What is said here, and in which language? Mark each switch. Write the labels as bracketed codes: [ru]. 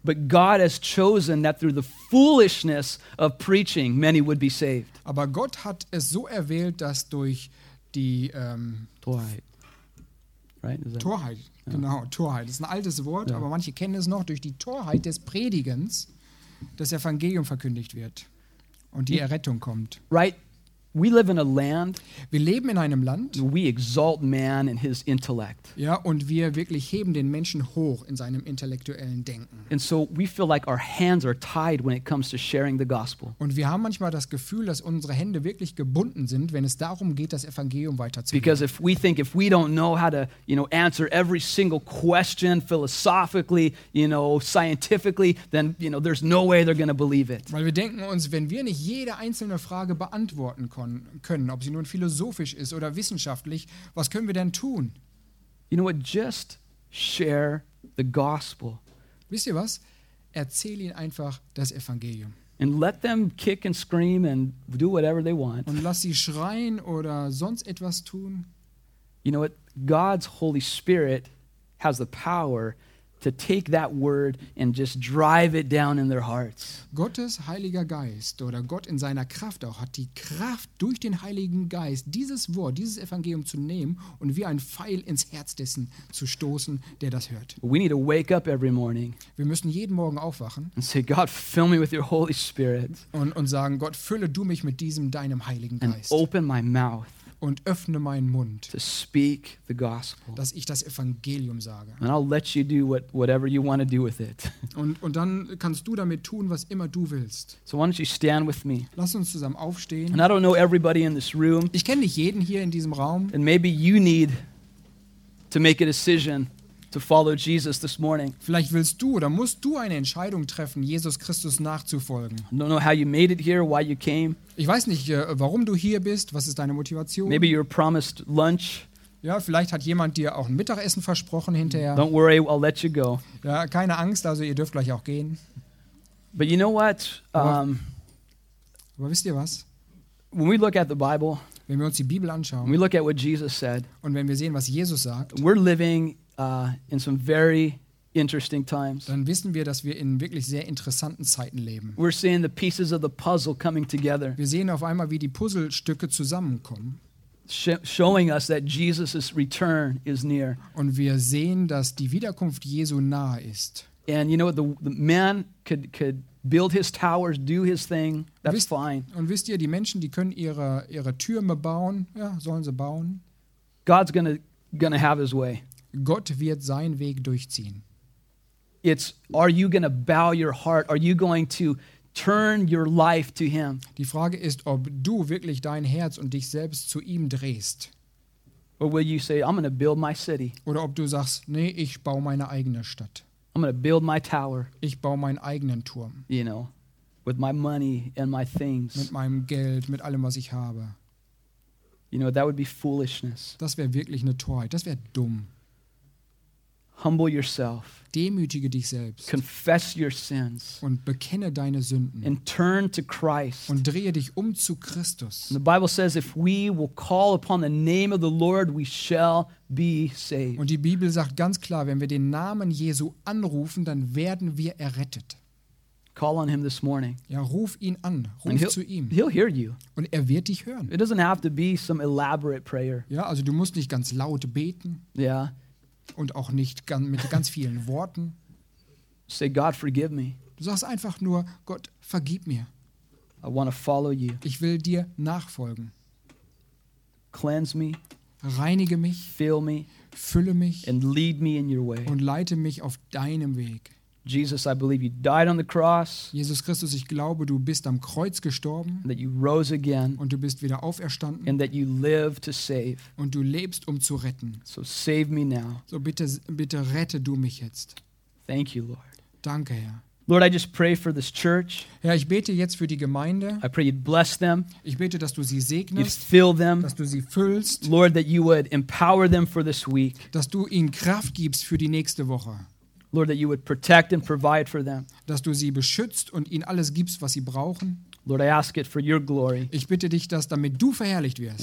[en] But God has chosen that through the foolishness of preaching many would be saved. [de] Aber Gott hat es so erwählt, dass durch die Torheit. [en] Right? Is that Torheit. Yeah. [de] Genau, Torheit. Das ist ein altes Wort, yeah. Aber manche kennen es noch, durch die Torheit des Predigens, das Evangelium verkündigt wird und die Errettung kommt. [en] Right? We live in a land. [de] Wir leben in einem Land. [en] We exalt man in his intellect. [de] Ja, und wir wirklich heben den Menschen hoch in seinem intellektuellen Denken. [en] And so we feel like our hands are tied when it comes to sharing the gospel. [de] Und wir haben manchmal das Gefühl, dass unsere Hände wirklich gebunden sind, wenn es darum geht, das Evangelium weiterzugeben. [en] Because if we think if we don't know how to, you know, answer every single question philosophically, you know, scientifically, then, you know, there's no way they're going to believe it. [de] Weil wir denken uns, wenn wir nicht jede einzelne Frage beantworten können, ob sie nun philosophisch ist oder wissenschaftlich, was können wir denn tun? [en] You know what? Just share the gospel. [de] Wisst ihr was? Erzähl ihnen einfach das Evangelium. [en] And let them kick and scream and do whatever they want. [de] Und lass sie schreien oder sonst etwas tun. [en] You know what? God's Holy Spirit has the power to take that word and just drive it down in their hearts. [de] Gottes Heiliger Geist oder Gott in seiner Kraft auch hat die Kraft, durch den Heiligen Geist dieses Wort, dieses Evangelium zu nehmen und wie ein Pfeil ins Herz dessen zu stoßen, der das hört. [en] We need to wake up every morning. [de] Wir müssen jeden Morgen aufwachen. [en] And say, God, fill me with your Holy Spirit. [de] Und sagen, Gott, fülle du mich mit diesem deinem Heiligen Geist. [en] And open my mouth. [de] Und öffne meinen Mund, [en] to speak the gospel. [de] Dass ich das Evangelium sage. [en] And I'll let you do whatever you want to do with it. [de] Und dann kannst du damit tun, was immer du willst. [en] So why don't you stand with me? [de] Lass uns zusammen aufstehen. [en] And I don't know everybody in this room. [de] Ich kenne nicht jeden hier in diesem Raum. [en] And maybe you need to make a decision to follow Jesus this morning. [de] Vielleicht willst du oder musst du eine Entscheidung treffen, Jesus Christus nachzufolgen. [en] I don't know how you made it here, why you came. [de] Ich weiß nicht, warum du hier bist, was ist deine Motivation? [en] Maybe you're promised lunch. [de] Ja, vielleicht hat jemand dir auch ein Mittagessen versprochen hinterher. [en] Don't worry, I'll let you go. [de] Ja, keine Angst, also ihr dürft gleich auch gehen. [en] But you know what? [de] Aber wisst ihr was? [en] When we look at the Bible, [de] wenn wir uns die Bibel anschauen, [en] we look at what Jesus said, [de] und wenn wir sehen, was Jesus sagt, [en] we're living in some very interesting times. [de] Dann wissen wir, dass wir in wirklich sehr interessanten Zeiten leben. [en] We're seeing the pieces of the puzzle coming together. [de] Wir sehen auf einmal, wie die Puzzlestücke zusammenkommen. [en] Showing us that Jesus' return is near. [de] Und wir sehen, dass die Wiederkunft Jesu nahe ist. [en] And you know what? The man could build his towers, do his thing. That's fine. [de] Und wisst ihr, die Menschen, die können ihre Türme bauen. Ja, sollen sie bauen. [en] God's gonna have his way. [de] Gott wird seinen Weg durchziehen. [en] It's, are you going to bow your heart? Are you going to turn your life to him. [de] Die Frage ist, ob du wirklich dein Herz und dich selbst zu ihm drehst. [en] Or will you say, I'm going to build my city. [de] Oder ob du sagst, nee, ich baue meine eigene Stadt. [en] I'm going to build my tower. [de] Ich baue meinen eigenen Turm. [en] You know, with my money and my things. [de] Mit meinem Geld, mit allem, was ich habe. [en] You know, that would be foolishness. [de] Das wäre wirklich eine Torheit. Das wäre dumm. [en] Humble yourself. [de] Demütige dich selbst. [en] Confess your sins. [de] Und bekenne deine Sünden. [en] And turn to Christ. [de] Und drehe dich um zu Christus. [en] And the Bible says, if we will call upon the name of the Lord, we shall be saved. [de] Und die Bibel sagt ganz klar, wenn wir den Namen Jesu anrufen, dann werden wir errettet. [en] Call on him this morning. [de] Ja, ruf ihn an. Ruf zu ihm. [en] He'll hear you. [de] Und er wird dich hören. [en] It doesn't have to be some elaborate prayer. [de] Ja, also du musst nicht ganz laut beten. Ja. Yeah. Und auch nicht mit ganz vielen Worten. [en] Say, God, forgive me. [de] Du sagst einfach nur, Gott, vergib mir. [en] I want to follow you. [de] Ich will dir nachfolgen. [en] Cleanse me. [de] Reinige mich. [en] Fill me. [de] Fülle mich. [en] And lead me in your way. [de] Und leite mich auf deinem Weg. [en] Jesus, I believe you died on the cross. [de] Jesus Christus, ich glaube, du bist am Kreuz gestorben. [en] And that you rose again. [de] Und du bist wieder auferstanden. [en] And that you live to save. [de] Und du lebst, um zu retten. [en] So save me now. [de] So bitte rette du mich jetzt. [en] Thank you, Lord. [de] Danke, Herr. [en] Lord, I just pray for this church. [de] Herr, ich bete jetzt für die Gemeinde. [en] I pray you'd bless them. [de] Ich bete, dass du sie segnest. [en] You'd fill them. [de] Dass du sie füllst. [en] Lord, that you would empower them for this week. [de] Dass du ihnen Kraft gibst für die nächste Woche. [en] Lord, that you would protect and provide for them. [de] Dass du sie beschützt und ihnen alles gibst, was sie brauchen. [en] Lord, I ask it for your glory. [de] Ich bitte dich, dass damit du verherrlicht wirst.